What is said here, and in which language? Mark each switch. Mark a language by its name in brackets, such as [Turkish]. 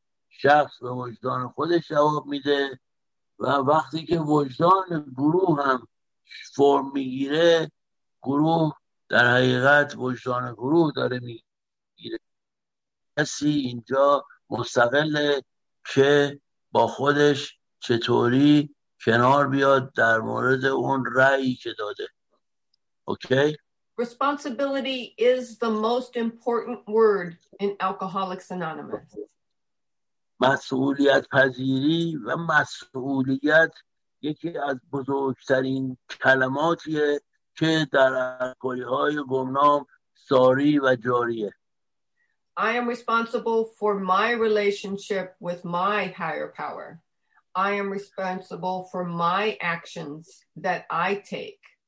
[Persian] شخص به وجدان خودش جواب میده و وقتی که وجدان گروه هم فرم میگیره گروه در حقیقت وجدان گروه داره میگیره. کسی اینجا مستقله که با خودش چطوری کنار بیاد در مورد اون رأیی که داده. اوکی؟ [English] Responsibility is the most important word in Alcoholics Anonymous. [Persian] مسئولیت پذیری و مسئولیت یکی از بزرگترین کلماتیه که در الکلی‌های گمنام ساری و جاریه. [English] I am responsible for my relationship with my higher power. I am responsible for my actions that I take.